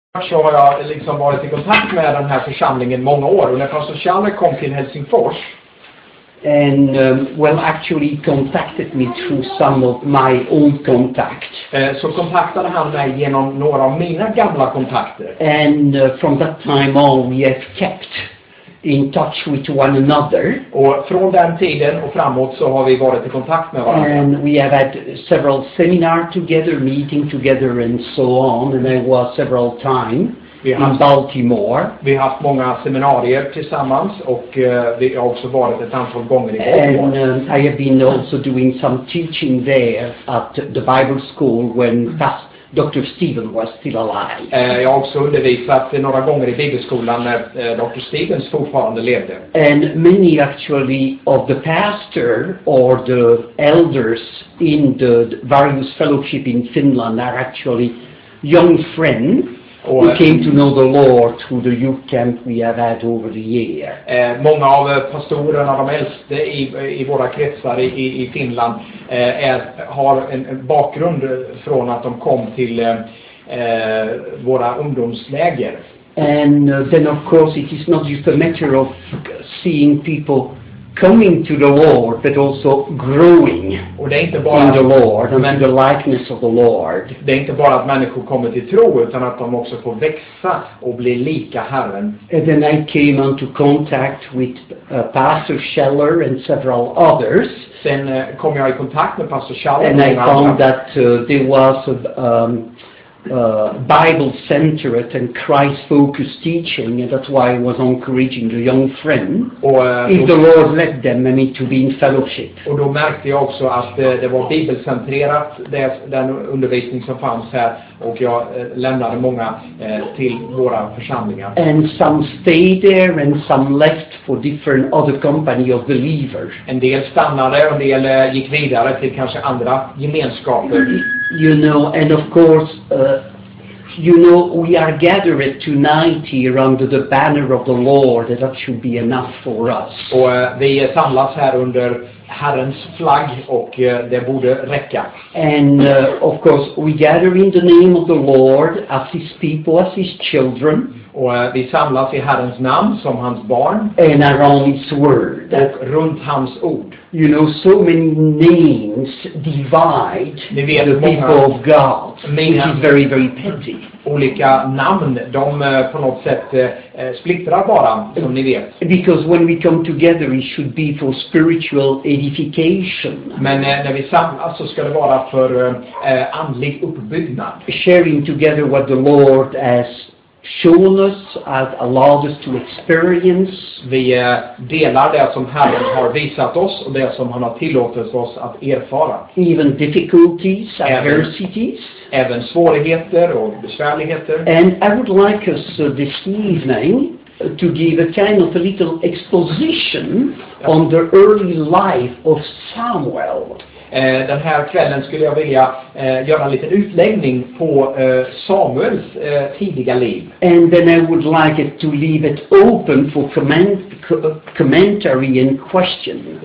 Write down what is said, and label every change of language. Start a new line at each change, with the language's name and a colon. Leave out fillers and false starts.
Swedish: Så har jag liksom varit i kontakt med den här församlingen många år, och när pastor Challe kom till Helsingfors.
English: And well, actually contacted me through some of my own contacts.
Swedish: Så kontaktade han mig genom några av mina gamla kontakter.
English: And from that time on we have kept in touch with one another.
Swedish: Och från den tiden och framåt så har vi varit i kontakt med varandra.
English: And we have had several seminars together, meeting together and so on, and there was several times.
Swedish: Vi har haft många seminarier tillsammans, och vi har också varit ett antal gånger i Baltimore.
English: And I have been also doing some teaching there at the Bible school when Dr. Stephen was still alive.
Swedish: Jag har också undervisat några gånger i bibelskolan när Dr. Stevens fortfarande levde.
English: And many actually of the pastor or the elders in the various fellowship in Finland are actually young friends. Och, we came to know the Lord through the youth camp we have had over the year.
Swedish: Många av pastorerna, de äldste i våra kretsar i Finland, har en bakgrund från att de kom till våra ungdomsläger.
English: And then of course it is not just a matter of seeing people coming to the Lord, but also growing in the Lord and the likeness of the Lord.
Swedish: Det är inte bara att människor kommer till tro, utan att de också får växa och bli lika Herren.
English: And then I came into contact with Pastor Scheller and several others.
Swedish: Sen kom jag i kontakt med Pastor Scheller.
English: And I found that there was a Bible-centered and Christ-focused teaching, and that's why I was encouraging the young friend. If the Lord led them, I mean, to be in fellowship.
Swedish: Och då märkte jag också att det var bibelcentrerat, den undervisning som fanns här, och jag lämnade många till våra församlingar.
English: And some stayed there, and some left for different other company of believers.
Swedish: En del stannade, en del gick vidare till kanske andra gemenskaper.
English: You know, and of course, you know, we are gathered tonight here under the banner of the Lord, and that should be enough for us.
Swedish: Och vi samlas här under Herrens flagg, och det borde räcka.
English: And of course, we gather in the name of the Lord as His people, as His children.
Swedish: Och vi samlas i Herrens namn som hans barn.
English: And around His word.
Swedish: Och runt hans ord.
English: You know, so many names divide the people of God. Which is very, very petty.
Swedish: Olika namn, de på något sätt splittrar bara, som ni vet.
English: Because when we come together, it should be for spiritual edification.
Swedish: Men när vi samlas så ska det vara för andlig uppbyggnad.
English: Sharing together what the Lord has shown us, has allowed us to experience.
Swedish: Vi delar det som Herren har visat oss och det som han har tillåtit oss att erfara.
English: Even difficulties, adversities.
Swedish: Även svårigheter och besvärligheter.
English: And I would like us this evening to give a kind of a little exposition on the early life of Samuel.
Swedish: Den här kvällen skulle jag vilja göra en liten utläggning på Samuels tidiga liv.
English: And then I would like it to leave it open for commentary and questions.